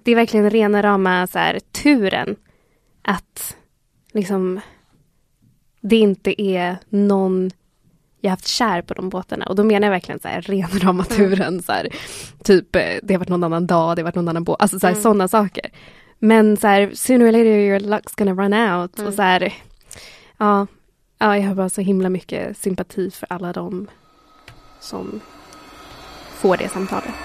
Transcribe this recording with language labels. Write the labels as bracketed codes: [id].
[sv] Det är verkligen rena rama så här, turen att liksom det inte är någon jag haft kär på de båtarna. Och då menar jag verkligen så här, ren ramaturen. Så här, typ, det har varit någon annan dag, det har varit någon annan båt. Alltså så här, sådana saker. Men så här, [en] sooner or later your luck's gonna run out. [sv] Mm. Och så här, ja, jag har bara så himla mycket sympati för alla de som får det samtalet.